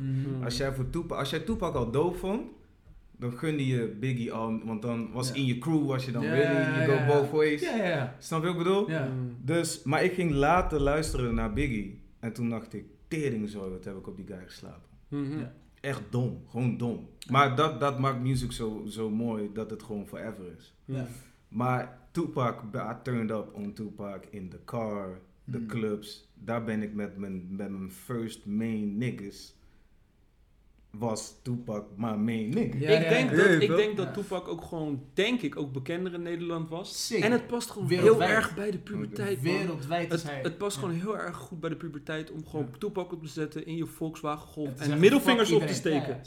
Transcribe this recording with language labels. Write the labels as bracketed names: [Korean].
[Dutch] Mm-hmm. Als jij Tupac al dope vond, dan gunde je Biggie al, want dan was in je crew, was je dan really, you go both ways. [English] Yeah, yeah. [Dutch] Snap je wat ik bedoel? [English] Yeah. [Dutch] Dus, maar ik ging later luisteren naar Biggie, en toen dacht ik, teringzooi, wat heb ik op die guy geslapen. Mm-hmm. Ja. Echt dom, gewoon dom. Maar dat maakt music zo mooi dat het gewoon forever is. Ja. [English] Maar Tupac, I turned up on Tupac in the car, the clubs. [Dutch] Daar ben ik met mijn first main niggas. Was Tupac mijn main nigga. Ja, ik denk dat Tupac ook gewoon, denk ik, ook bekender in Nederland was. Zeker. En het past gewoon heel erg bij de puberteit. Wereldwijd is hij. Het past gewoon heel erg goed bij de puberteit om gewoon Tupac op te zetten in je Volkswagen Golf en middelvingers op te steken.